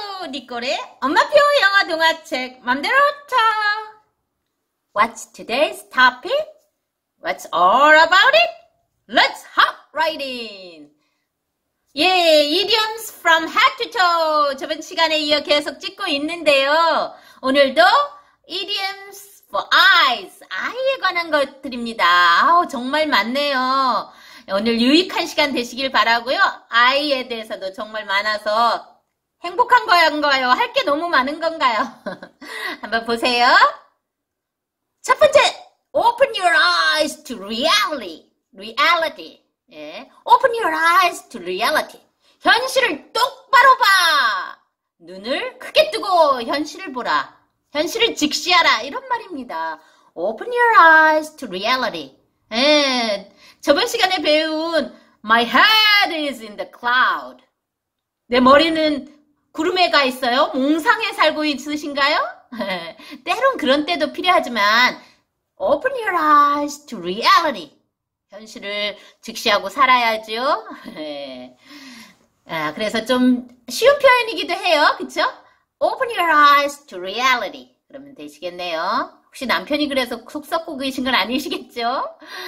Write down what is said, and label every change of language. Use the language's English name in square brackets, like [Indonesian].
[Korean] 니꼬리 엄마표 영화 동화책 맘대로 쳐. [English] What's today's topic? What's all about it? Let's hop right in. Yeah, idioms from head to toe. [Korean] 저번 시간에 이어 계속 찍고 있는데요. 오늘도 [English] idioms for eyes. [Korean] 아이에 관한 것들입니다. 아우, 정말 많네요. 오늘 유익한 시간 되시길 바라고요. 아이에 대해서도 정말 많아서 행복한 건가요? 할게 너무 많은 건가요? 한번 보세요. 첫 번째, [English] open your eyes to reality. Reality. [Korean] 예. [English] Open your eyes to reality. [Korean] 현실을 똑바로 봐. 눈을 크게 뜨고 현실을 보라. 현실을 직시하라. 이런 말입니다. [English] Open your eyes to reality. [Korean] 예. 저번 시간에 배운 [English] My head is in the cloud. [Korean] 내 머리는 구름에 가 있어요? 몽상에 살고 있으신가요? 때론 그런 때도 필요하지만 [English] Open your eyes to reality. [Korean] 현실을 직시하고 살아야죠. 아, 그래서 좀 쉬운 표현이기도 해요. 그쵸? [English] Open your eyes to reality. [Korean] 그러면 되시겠네요. 혹시 남편이 그래서 속 썩고 계신 건 아니시겠죠?